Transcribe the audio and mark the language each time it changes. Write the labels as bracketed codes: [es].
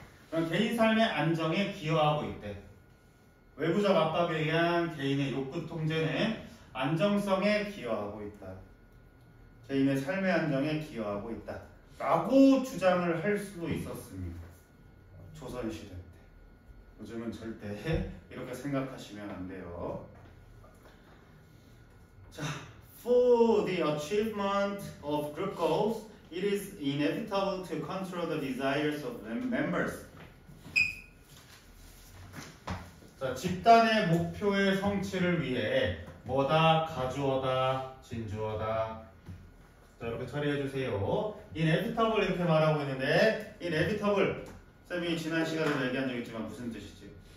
[ko] 그럼 개인 삶의 안정에 기여하고 있대. 외부적 압박에 의한 개인의 욕구 통제는 안정성에 기여하고 있다. 개인의 삶의 안정에 기여하고 있다. 라고 주장을 할 수도 있었습니다. 조선시대 때. 요즘은 절대 이렇게 생각하시면 안 돼요. [en] 자, for the achievement of group goals, it is inevitable to control the desires of members. [ko] 자, 집단의 목표의 성취를 위해 뭐다? 가주어다, 진주어다. 자, 이렇게 처리해 주세요. inevitable 이렇게 말하고 있는데, inevitable 쌤이 지난 시간에도 얘기한 적 있지만 무슨 뜻이지?